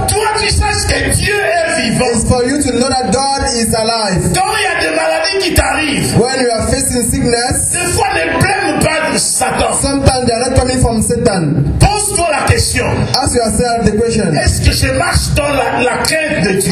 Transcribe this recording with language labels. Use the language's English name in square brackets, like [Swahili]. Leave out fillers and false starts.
[French] Toi tu saches que Dieu est vivant. [English] It's for you to know that God is alive. [French] Quand il y a des maladies qui t'arrivent. [English] When you are facing sickness. [French] Des fois les problèmes pas de Satan. [English] Sometimes they are not coming from Satan. [French] Pose-toi la question. [English] Ask yourself the question. [French] Est-ce que je marche dans la crainte de Dieu?